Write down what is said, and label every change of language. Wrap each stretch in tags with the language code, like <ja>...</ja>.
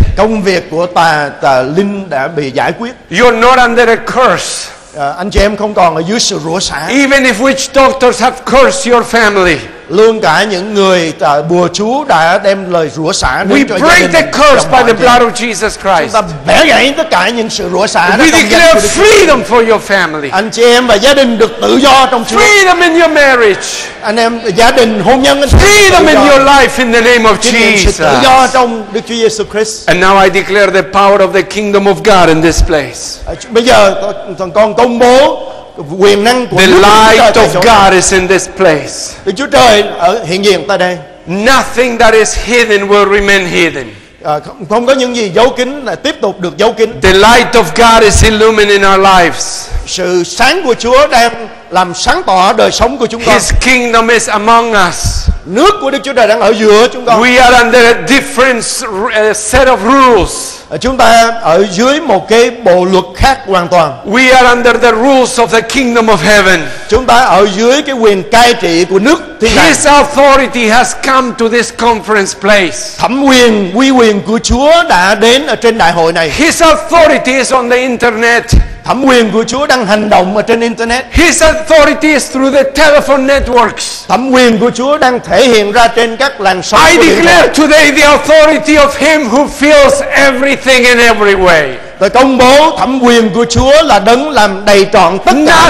<vi>Công việc của tà linh đã bị giải quyết.</vi> <en>You're not under a curse.</en> <vi>Anh chị em không còn ở dưới sự rủa sả.</vi> <en>Even if witch doctors have cursed your family.</en> <vi>Luôn cả những người bùa chú đã đem lời rủa sả đến</vi> <en>we</en> <vi>cho</vi> <en>break the curse by the blood of Jesus Christ.</en> <vi>Chúng ta bẻ gãy tất cả những sự rủa sả.</vi> <en>We declare freedom for your family.</en> <vi>Anh chị em và gia đình được tự do trong Chúa.</vi> <en>Freedom in your marriage.</en> <vi>Anh em gia đình hôn nhân.</vi> <en>Freedom in your life in the name of Jesus.</en> <vi>Tự do trong Đức Chúa Jesus Christ.</vi> <en>And now I declare the power of the kingdom of God in this place.</en> <vi>Bây giờ con công bố quyền năng của</vi> <en>the light of God is in this place.</en> <vi>Đức Chúa Trời ở hiện diện tại đây.</vi> <en>Nothing that is hidden will remain hidden.</en> <vi>Không có những gì giấu kín là tiếp tục được giấu kín.</vi> <en>The light of God is illuminating our lives.</en> <vi>Sự sáng của Chúa đang làm sáng tỏ đời sống của chúng ta.</vi> <en>His kingdom is among us.</en> <vi>Nước của Đức Chúa Trời đang ở giữa chúng ta.</vi> <en>We are under a different set of rules.</en> <vi>Chúng ta ở dưới một cái bộ luật khác hoàn toàn.</vi> <en>We are under the rules of the kingdom of heaven.</en> <vi>Chúng ta ở dưới cái quyền cai trị của nước thiên đàng.</vi> <en>His authority has come to this conference place.</en> <vi>Thẩm quyền, uy quyền của Chúa đã đến ở trên đại hội này.</vi> <en>His authority is on the internet.</en> <vi>Thẩm quyền của Chúa đang hành động ở trên internet.</vi> <en>His authority is through the telephone networks.</en> <vi>Thẩm quyền của Chúa đang thể hiện ra trên các làn sóng.</vi> <en>I declare today the authority of him who fills everything in every way.</en> <vi>Tôi công bố thẩm quyền của Chúa là đấng làm đầy trọn tất cả</vi>